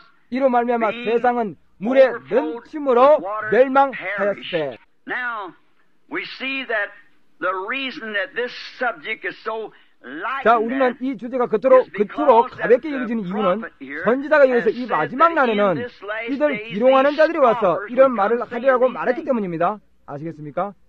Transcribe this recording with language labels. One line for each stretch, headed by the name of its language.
Korean: 이로 말미암아 세상은 물의 넘침으로 멸망하였을 때
English: Now, we see that the reason that this subject is so
Korean: 자, 우리는 이 주제가 그토록 가볍게 여겨지는 이유는 선지자가 여기서 이 마지막 날에는 이들 기롱하는 자들이 와서 이런 말을 하리라고 말했기 때문입니다. 아시겠습니까?